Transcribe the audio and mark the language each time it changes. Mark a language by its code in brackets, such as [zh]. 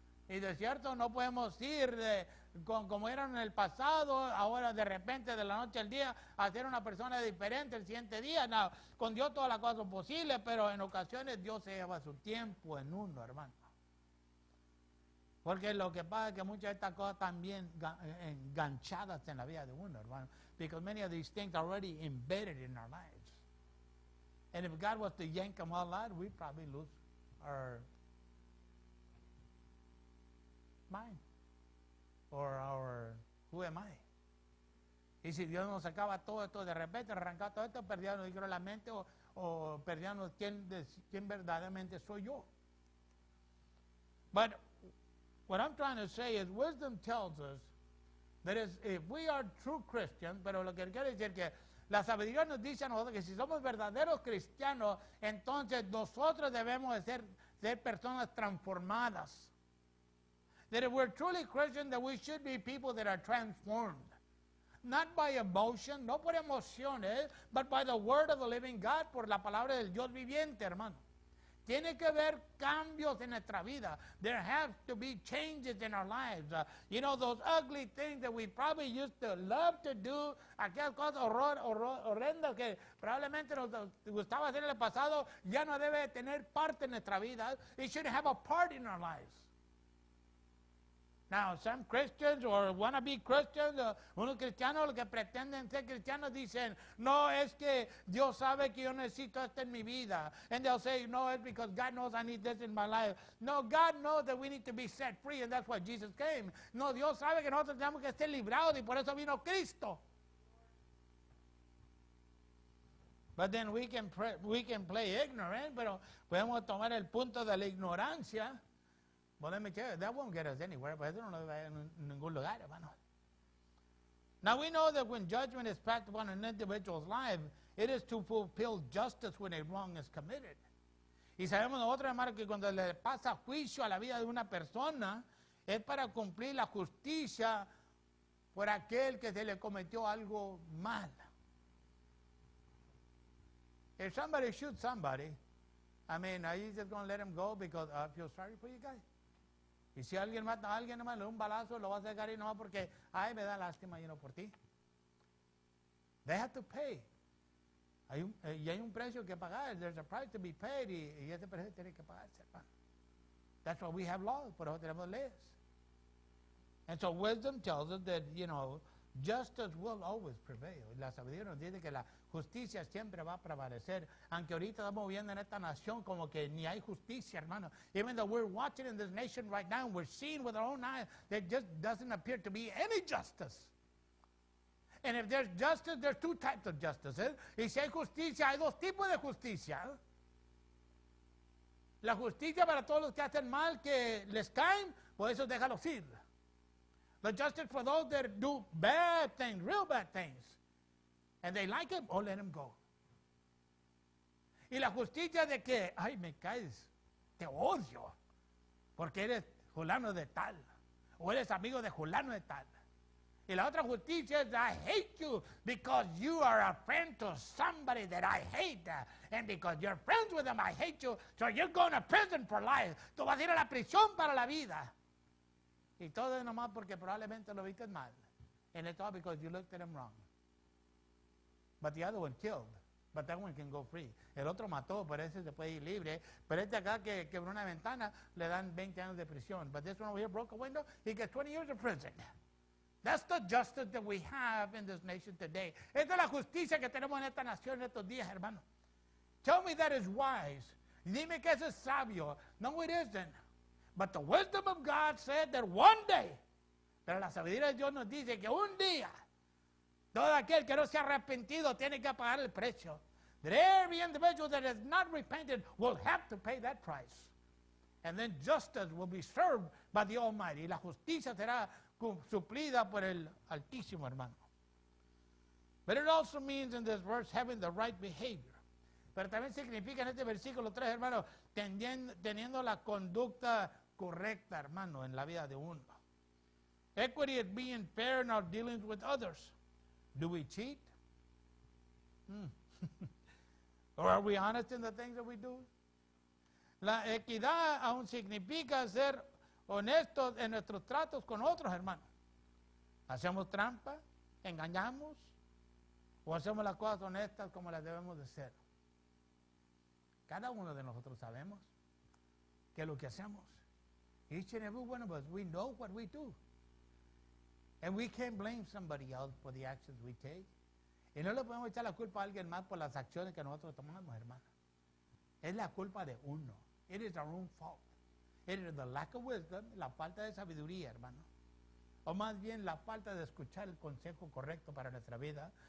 [es] Y de cierto, no podemos ir como eran en el pasado, ahora de repente, de la noche al día, a ser una persona diferente el siguiente día. Now, con Dios todas las cosas son posibles, pero en ocasiones Dios se lleva su tiempo en uno, hermano. Porque lo que pasa es que muchas de estas cosas están bien enganchadas en la vida de uno, hermano. [en] Because many of these things are already embedded in our lives. And if God was to yank them all out, we'd probably lose our mind. Or our, who am I? [es] Y si Dios nos sacaba todo esto de repente, arrancaba todo esto, perdíamos la mente o perdíamos quién verdaderamente soy yo. [en] But what I'm trying to say is wisdom tells us that if we are true Christians, [es] pero lo que quiero decir que la sabiduría nos dice a nosotros que si somos verdaderos cristianos, entonces nosotros debemos de ser personas transformadas. [en] That if we're truly Christian, that we should be people that are transformed. Not by emotion, [es] no por emociones, [en] but by the word of the living God, [es] por la palabra del Dios viviente, hermano. Tiene que haber cambios en nuestra vida. [en] There have to be changes in our lives. You know, those ugly things that we probably used to love to do, [es] aquellas cosas horrendas que probablemente nos gustaba hacer en el pasado, ya no debe tener parte en nuestra vida. [en] It should have a part in our lives. Now, some Christians or wannabe Christians, [es] unos cristianos que pretenden ser cristianos dicen, no, es que Dios sabe que yo necesito esto en mi vida. [en] And they'll say, no, it's because God knows I need this in my life. No, God knows that we need to be set free, and that's why Jesus came. [es] No, Dios sabe que nosotros tenemos que ser librados, y por eso vino Cristo. [en] But then we can play ignorant, [es] pero podemos tomar el punto de la ignorancia. [en] Well, let me tell you, that won't get us anywhere, but I don't know if I'm in [es] ningún lugar, [en] hermano. Now we know that when judgment is passed upon an individual's life, it is to fulfill justice when a wrong is committed. [es] Y sabemos nosotros, hermanos, que cuando le pasa juicio a la vida de una persona, es para cumplir la justicia por aquel que se le cometió algo mal. [en] If somebody shoots somebody, I mean, are you just going to let him go because I feel sorry for you guys? [es] Y si alguien mata a alguien, hermano, un balazo, lo vas a dejar y no va porque, ay, me da lástima y no por ti. [en] They have to pay. [es] Hay un precio que pagar. [en] There's a price to be paid. [es] Y ese precio tiene que pagarse, hermano. [en] That's why we have laws. [es] Por eso tenemos leyes. [en] And so wisdom tells us that, you know, justice will always prevail. [es] La sabiduría nos dice que la justicia siempre va a prevalecer. Aunque ahorita estamos viendo en esta nación como que ni hay justicia, hermano. [en] Even though we're watching in this nation right now, we're seeing with our own eyes, there just doesn't appear to be any justice. And if there's justice, there's two types of justice. [es] Y si hay justicia, hay dos tipos de justicia. La justicia para todos los que hacen mal, que les caen, por eso déjalos ir. [en] The justice for those that do bad things, real bad things, and they like it, or let them go. [es] Y la justicia de que, ay, me caes, te odio, porque eres fulano de tal, o eres amigo de fulano de tal. Y la otra justicia es, [en] I hate you because you are a friend to somebody that I hate. And because you're friends with them, I hate you. So you're going to prison for life. [es] Tú vas a ir a la prisión para la vida. Y todo es nomás porque probablemente lo viste mal. [en] And it's all because you looked at him wrong. But the other one killed. But that one can go free. [es] El otro mató, pero ese se puede ir libre. Pero este acá que quebró una ventana, le dan 20 años de prisión. [en] But this one over here broke a window, he gets 20 years of prison. That's the justice that we have in this nation today. [es] Esta es la justicia que tenemos en esta nación en estos días, hermano. [en] Tell me that is wise. [es] Dime que eso es sabio. [en] No, it isn't. But the wisdom of God said that one day, [es] pero la sabiduría de Dios nos dice que un día, todo aquel que no se ha arrepentido tiene que pagar el precio. [en] That every individual that has not repented will have to pay that price. And then justice will be served by the Almighty. [es] La justicia será suplida por el Altísimo, hermano. [en] But it also means in this verse having the right behavior. [es] Pero también significa en este versículo 3, hermano, teniendo la conducta correcta, hermano, en la vida de uno. [en] Equity is being fair in our dealings with others. Do we cheat? Or are we honest in the things that we do? [es] La equidad aún significa ser honestos en nuestros tratos con otros, hermano. ¿Hacemos trampa? ¿Engañamos? ¿O hacemos las cosas honestas como las debemos de ser? Cada uno de nosotros sabemos qué es lo que hacemos. [en] Each and every one of us, we know what we do. And we can't blame somebody else for the actions we take. [es] Y no le podemos echar la culpa a alguien más por las acciones que nosotros tomamos, hermano. Es la culpa de uno. [en] It is our own fault. It is the lack of wisdom, [es] la falta de sabiduría, hermano. O más bien, la falta de escuchar el consejo correcto para nuestra vida.